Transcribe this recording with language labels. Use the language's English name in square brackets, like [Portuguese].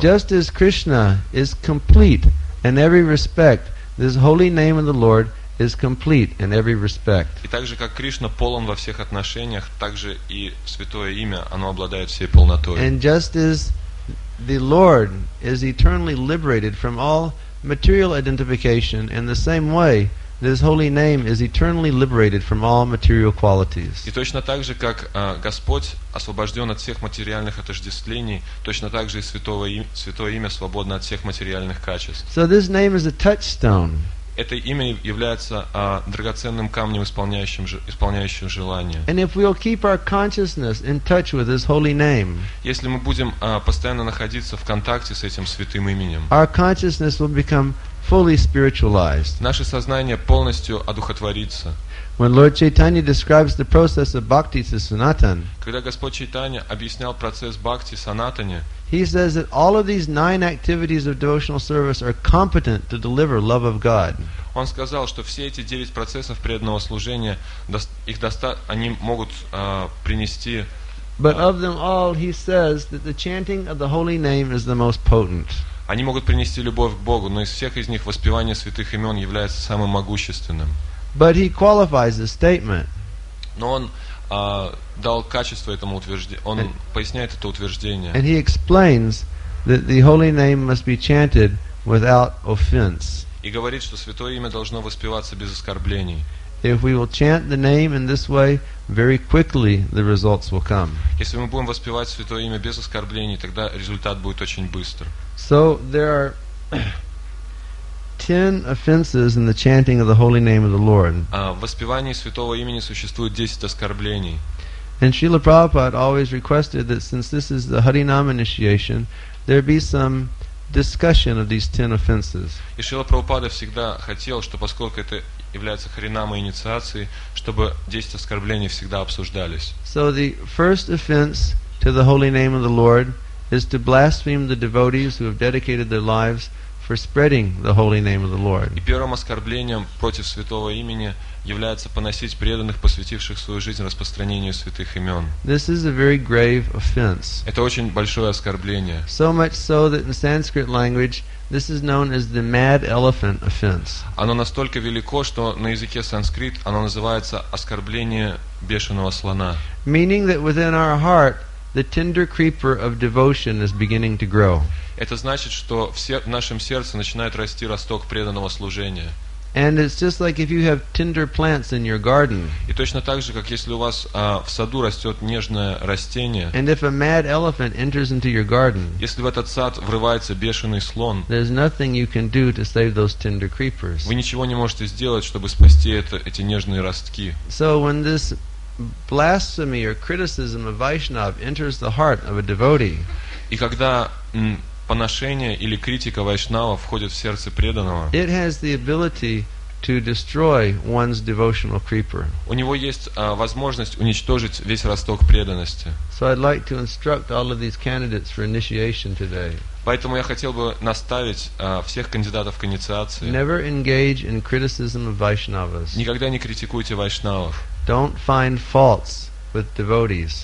[English] Just as Krishna is complete in every respect, this holy name of the Lord is complete in every respect. [Russian] И так же, как Кришна полон во всех отношениях, так же и святое имя, оно обладает всей полнотой. [English] And just as the Lord is eternally liberated from all material identification in the same way this holy name is eternally liberated from all material qualities. [Russian] И точно так же, как Господь освобожден от всех материальных отождествлений, точно так же и святое имя свободно от всех материальных качеств. [English] So this name is a touchstone. [Russian] Это имя является драгоценным камнем, исполняющим желание. [English] And if we'll keep our consciousness in touch with this holy name, [Russian] если мы будем постоянно находиться в контакте с этим святым именем, [English] our consciousness will become fully spiritualized. [Russian] Наше сознание полностью одухотворится. [English] When Lord Chaitanya describes the process of bhakti to Sanatan, [Russian] когда Господь Чайтанья объяснял процесс бхакти санатане, [English] He says that all of these nine activities of devotional service are competent to deliver love of God. [Russian] Он сказал, что все эти девять процессов преданного служения, их они могут принести. [English] But of them all, he says that the chanting of the holy name is the most potent. [Russian] Они могут принести любовь к Богу, но из всех из них воспевание святых имен является самым могущественным. [English] But he qualifies the statement. [Russian] Но он дал качество этому утверждению. Он поясняет это утверждение. [English] And he explains that the holy name must be chanted without offense. [Russian] И говорит, что святое имя должно воспеваться без оскорблений. [English] If we will chant the name in this way, very quickly the results will come. [Russian] Если мы будем воспевать святое имя без оскорблений, тогда результат будет очень быстр. [English] So there are 10 offenses in the chanting of the holy name of the Lord. [Russian] В воспевании святого имени существует 10 оскорблений. [English] And Srila Prabhupada always requested that since this is the Harinam initiation, there be some discussion of these 10 offenses. [Russian] И Шрила Прабхупада всегда хотел, что поскольку это является харинамой инициации, чтобы 10 оскорблений всегда обсуждались. [English] So the first offense to the holy name of the Lord is to blaspheme the devotees who have dedicated their lives for spreading the holy name of the Lord. [Russian] И первым оскорблением против святого имени является поносить преданных, посвятивших свою жизнь распространению святых имен. [English] This is a very grave offense. [Russian] Это очень большое оскорбление. [English] So much so that in Sanskrit language this is known as the mad elephant offense. [Russian] Оно настолько велико, что на языке санскрит оно называется оскорбление бешеного слона. [English] Meaning that within our heart the tender creeper of devotion is beginning to grow. [Russian] Это значит, что в нашем сердце начинает расти росток преданного служения. [English] And it's just like if you have tender plants in your garden. [Russian] И точно так же, как если у вас в саду растет нежное растение. [English] And if a mad elephant enters into your garden. [Russian] Если в этот сад врывается бешеный слон. [English] There's nothing you can do to save those tender creepers. [Russian] Вы ничего не можете сделать, чтобы спасти эти нежные ростки. [English] So when this blasphemy or criticism of Vaishnav enters the heart of a devotee. [Russian] И когда поношение или критика вайшнава входит в сердце преданного. [English] It has the ability to destroy one's devotional creeper. [Russian] У него есть возможность уничтожить весь росток преданности. [English] So I'd like to instruct all of these candidates for initiation today. [Russian] Поэтому я хотел бы наставить всех кандидатов к инициации. [English] Never engage in criticism of Vaishnavas. [Russian] Никогда не критикуйте вайшнавов. [English] Don't find faults with devotees.